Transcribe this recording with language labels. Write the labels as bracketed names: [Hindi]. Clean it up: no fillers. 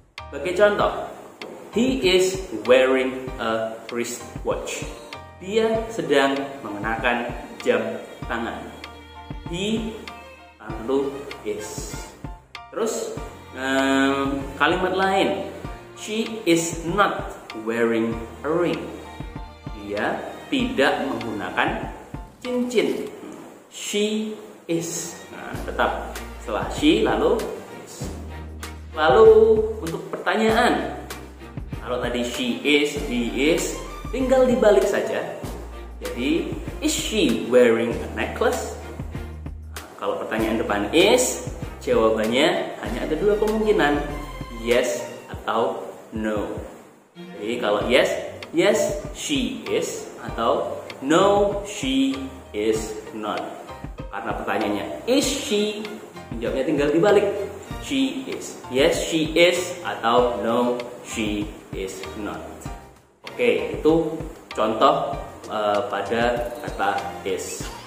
[Indonesian] Sebagai contoh, [English] he is wearing a wristwatch. [Indonesian] Dia sedang mengenakan jam tangan. He lalu is. Terus kalimat lain, [English] she is not wearing a ring. [Indonesian] Dia tidak menggunakan cincin. She is. Nah, tetap setelah she lalu is. Lalu untuk pertanyaan, kalau tadi she is, he is, tinggal dibalik saja. [English] Jadi is she wearing a necklace? [Indonesian] Nah, kalau pertanyaan depan is, jawabannya hanya ada dua kemungkinan, yes atau no. Jadi kalau [English] yes, yes she is, atau no she is not. [Indonesian] Karena pertanyaannya is she, jawabnya tinggal dibalik, [English] she is. Yes she is, atau no she is not. [Indonesian] Oke, itu contoh pada kata is.